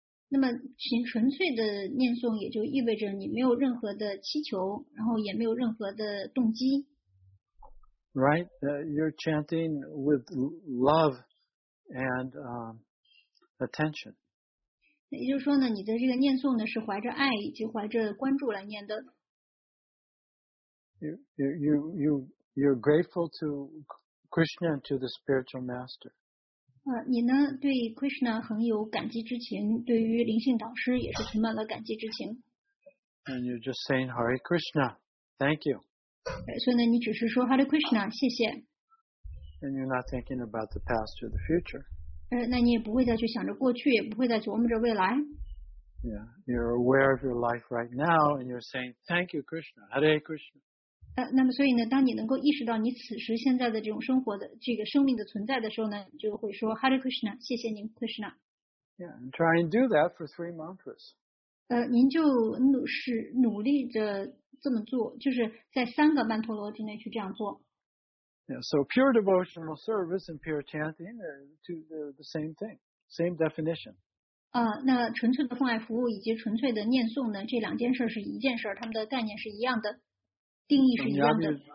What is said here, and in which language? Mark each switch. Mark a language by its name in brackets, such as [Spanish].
[Chinese] 那么纯粹的念诵也就意味着你没有任何的祈求，然后也没有任何的动机。 [English] Right, you're chanting with love and attention. [Chinese] 也就是说呢，你的这个念诵呢是怀着爱以及怀着关注来念的。 [English] You're grateful to Krishna and to the spiritual master. [Chinese] 你呢对 Krishna 很有感激之情，对于灵性导师也是充满了感激之情。 [English] And you're just saying Hare Krishna, thank you. [Chinese] 所以呢，你只是说 Hare Krishna， 谢谢。 [English] And you're not thinking about the past or the future。 [Chinese] 那你也不会再去想着过去，也不会再琢磨着未来。 [English] Yeah, you're aware of your life right now, and you're saying thank you, Krishna, Hare Krishna。 [Chinese] 那么所以呢，当你能够意识到你此时现在的这种生活的这个生命的存在的时候呢，就会说 Hare Krishna， 谢谢您 ，Krishna。 [English] Yeah, and try and do that for 3 mantras。 [Chinese] 您就努力着。这么做就是在三个曼陀罗之内去这样做。 [English] Yeah, so pure devotional service and pure chanting are the same thing, same definition. [Chinese] 那纯粹的奉爱服务以及纯粹的念诵呢，这两件事是一件事，他们的概念是一样的，定义是一样的。